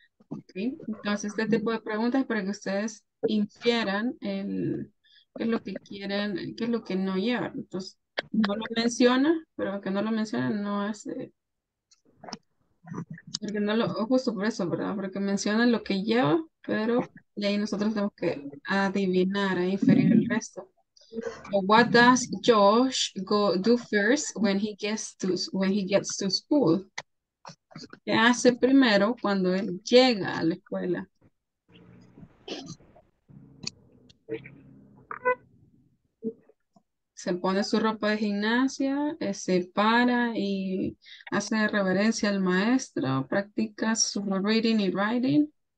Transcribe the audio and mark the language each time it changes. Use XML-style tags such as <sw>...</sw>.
<es>Okay, entonces este tipo de preguntas para que ustedes infieran el qué es lo que quieren, qué es lo que no llevan. Entonces, no lo menciona, pero que no lo menciona no hace. Porque no lo, justo por eso, ¿verdad? Porque menciona lo que lleva, pero de ahí nosotros tenemos que adivinar e inferir el resto.</es> <en>What does Josh go do first when he gets to school?</en> <es>¿Qué hace primero cuando él llega a la escuela? Se pone su ropa de gimnasia, se para y hace reverencia al maestro, practica su reading y writing.</es>